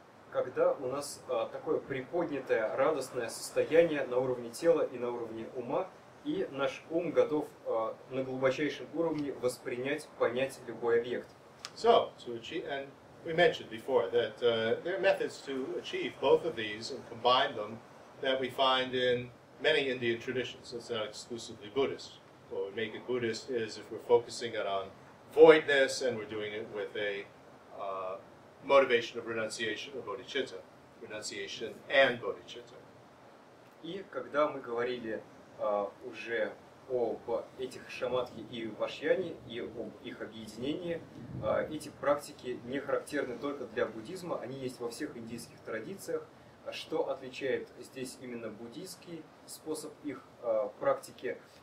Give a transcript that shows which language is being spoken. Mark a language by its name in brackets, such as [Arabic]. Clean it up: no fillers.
[Russian] Когда у нас такое приподнятое, радостное состояние на уровне тела и на уровне ума, и наш ум готов на глубочайшем уровне воспринять, понять любой объект. [English] So, to achieve, and we mentioned before that there are methods to achieve both of these and combine them that we find in many Indian traditions. It's not exclusively Buddhist. What would make it Buddhist is if we're focusing it on voidness and we're doing it with a motivation of renunciation or bodhicitta, renunciation and bodhicitta. [Russian] И когда мы говорили уже об этих шамадхи и вайшьяне и об их объединении, эти практики не характерны только для буддизма, они есть во всех индийских традициях. Что отличает здесь именно буддийский способ их практики?